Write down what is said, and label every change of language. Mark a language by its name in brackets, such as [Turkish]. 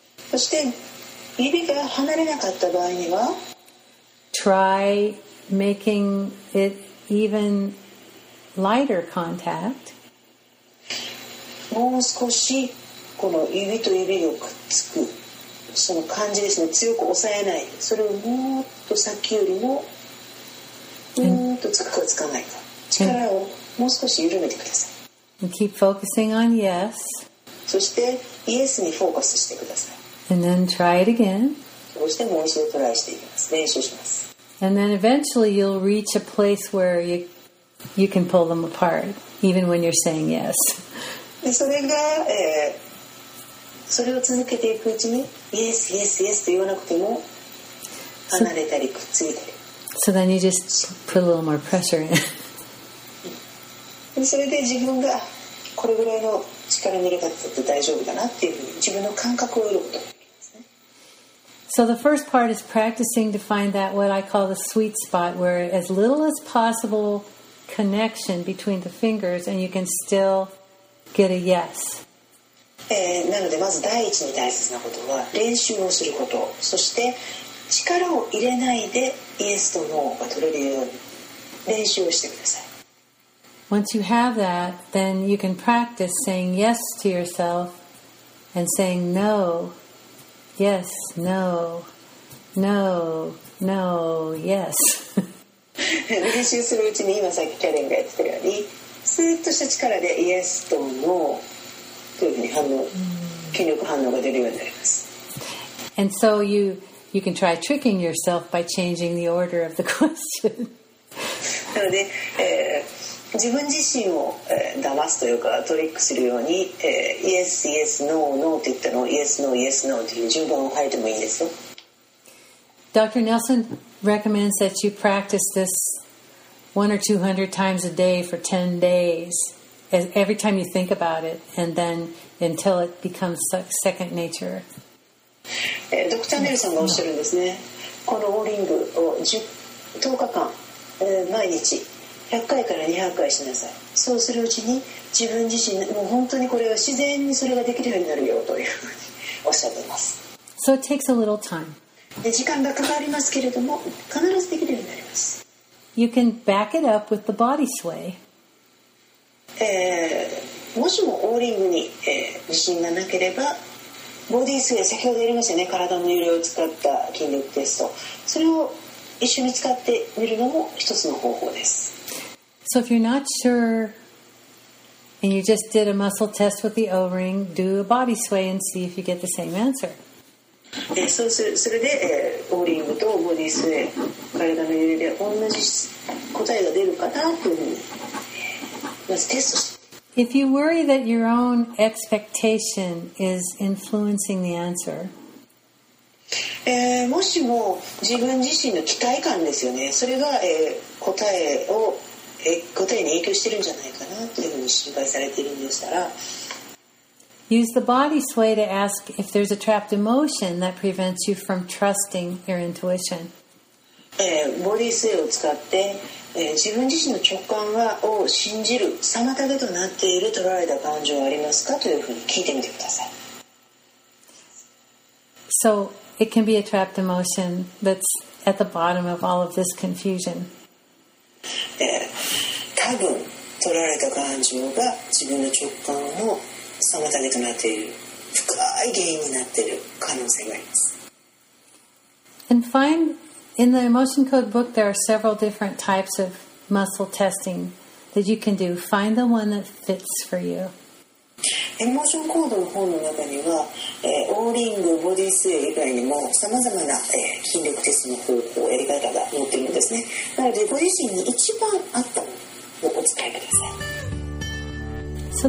[Japanese] そして指が離れなかった場合には、 [English] try making it even lighter contact. [Japanese] もう少しこの指と指をくっつくその感じですね、強く押さえない、それをもっとさっきよりもうーんとつくかつかないか、力をもう少し緩めてください。 [English] And keep focusing on yes. [Japanese] そしてイエスにフォーカスしてください。 [English] And then try it again. [Japanese] そしてもう一度トライしていきます、練習します。 [English] And then eventually you'll reach a place where you can pull them apart even when you're saying yes. [Japanese] でそれが、それを続けていくうちに、 [English] Yes, yes, yes [Japanese] と言わなくても、離れたりくっついたり。 [English] So then you just put a little more pressure in. [Japanese] でそれで自分がこれぐらいの力に入れたって大丈夫だなっていうふうに自分の感覚を得ることができますね。 [English] So the first part is practicing to find that what I call the sweet spot, where as little as possible connection between the fingers and you can still get a yes. [Japanese] なのでまず第一に大切なことは練習をすること、そして力を入れないでイエスとノーが取れるように練習をしてください。 [English] Once you have that, then you can practice saying yes to yourself and saying no, yes, no, no, no, yes. [Japanese] 練習するうちに今さっきキャレンが言ってたようにスーッとした力でイエスとノー、筋力反応が出るようになります。 [English] And so you can try tricking yourself by changing the order of the question. [Japanese] なので、自分自身を、騙すというかトリックするように、 [English] Yes, yes, no, no [Japanese] って言ったのを [English] Yes, no, yes, no [Japanese] という順番を変えてもいいんですよ。 [English] Dr. Nelson recommends that you practice this 100 or 200 times a day for 10 days. Every time you think about it, and then until it becomes second nature. Dr. [Japanese] Nelson がおっしゃるんですね。このオーリングを 10日間、毎日100回から200回しなさい。そうするうちに自分自身もう本当にこれは自然にそれができるようになるよというふうにおっしゃっています。 [English] So it takes a little time. [Japanese] で、時間がかかりますけれども、必ずできるようになります。 [English] You can back it up with the body sway. [Japanese] もしもオーリングに、自信がなければボディースウェイ、先ほど言いましたね、体の揺れを使った筋力テスト、それを一緒に使ってみるのも一つの方法です。 [English] So if you're not sure and you just did a muscle test with the O-ring, do a body sway and see if you get the same answer. [Japanese] そうする、それで、オーリングとボディースウェイ、体の揺れで同じ答えが出るかなというふうに。 [English] If you worry that your own expectation is influencing the answer, [Japanese] もしも自分自身の期待感ですよね。それが、答えに影響してるんじゃないかなというふうに心配されているんでしたら、 [English] use the body sway to ask if there's a trapped emotion that prevents you from trusting your intuition. [Japanese] ボディスウェイを使って。自分自身の直感を信じる妨げとなっている取られた感情はありますかというふうに聞いてみてください。 [English] So it can be a trapped emotion that's at the bottom of all of this confusion. And find in the emotion code book there are several different types of muscle testing that you can do. Find the one that fits for you. [Japanese] エモーションコードの本の中には、オーリング、ボディスウェイ以外にも様々な、筋力テストの方法、やり方が載っているんですね。なので、ご自身に一番合ったものをお使いください。